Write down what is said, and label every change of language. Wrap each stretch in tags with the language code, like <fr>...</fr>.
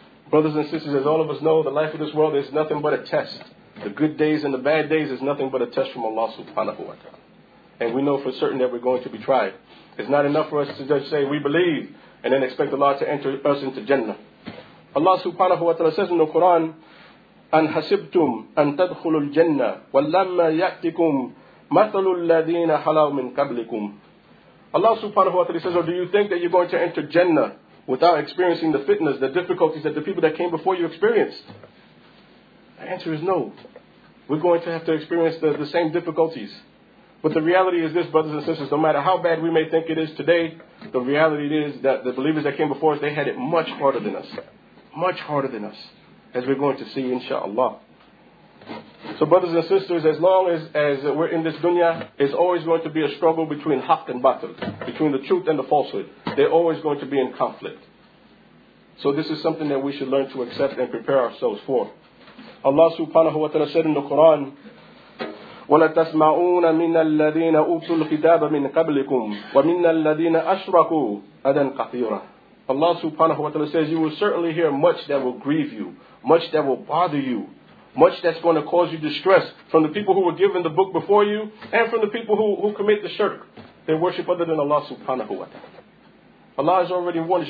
<en>Brothers and sisters, as all of us know, the life of this world is nothing but a test. The good days and the bad days is nothing but a test from Allah subhanahu wa ta'ala. And we know for certain that we're going to be tried. It's not enough for us to just say we believe and then expect Allah to enter us into Jannah. Allah subhanahu wa ta'ala says in the Quran,</en> <ar>أَنْ حَسِبْتُمْ أَنْ تَدْخُلُوا الْجَنَّةِ وَلَّمَّا يَأْتِكُمْ مَثَلُ الَّذِينَ حَلَوْ مِنْ قَبْلِكُمْ.</ar> <en>Allah subhanahu wa ta'ala says, or do you think that you're going to enter Jannah without experiencing the fitness, the difficulties that the people that came before you experienced? The answer is no. We're going to have to experience the same difficulties. But the reality is this, brothers and sisters, no matter how bad we may think it is today, the reality is that the believers that came before us, they had it much harder than us. Much harder than us, as we're going to see, inshallah. So brothers and sisters, as long as we're in this dunya, it's always going to be a struggle between haq and batil, between the truth and the falsehood. They're always going to be in conflict. So this is something that we should learn to accept and prepare ourselves for. Allah subhanahu wa ta'ala said in the Quran,</en> <ar>وَلَتَسْمَعُونَ مِنَ الَّذِينَ أُوتُوا الْكِتَابَ مِنْ قَبْلِكُمْ وَمِنَ الَّذِينَ أَشْرَكُوا أَذًى كَثِيرًا.</ar> <en>Allah subhanahu wa ta'ala says, you will certainly hear much that will grieve you, much that will bother you, much that's going to cause you distress from the people who were given the book before you and from the people who commit the shirk. They worship other than Allah subhanahu wa ta'ala. Allah has already warned us.</en>